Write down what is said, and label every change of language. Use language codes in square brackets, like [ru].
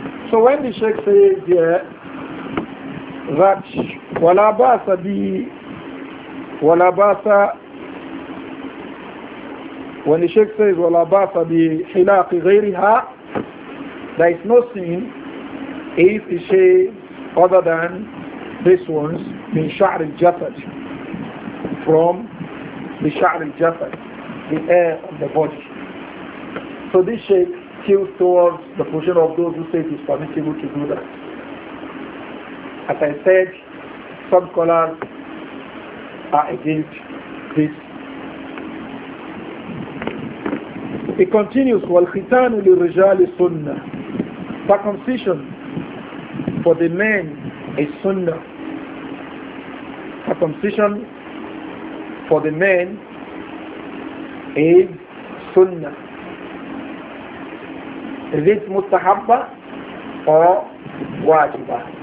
[en] So when the Sheikh says here that wala basa bi wala basa, when the Sheikh says [ar] wala basa bi hilaq ghayriha, [en] there is no sin if the shave other than this one's [ar] min sha'r al-jasad, [en] from the sha'r al-jasad, the air of the body. So this shave tilts towards the position of those who say it is permissible to do that. As I said, some scholars are against this. It continues, [ar] وَالْخِتَانُ لِلْرِجَالِ سُنَّةِ. [en] Circumcision for the men is sunnah. Circumcision for the men is sunnah. Is it mustahabba or wajiba?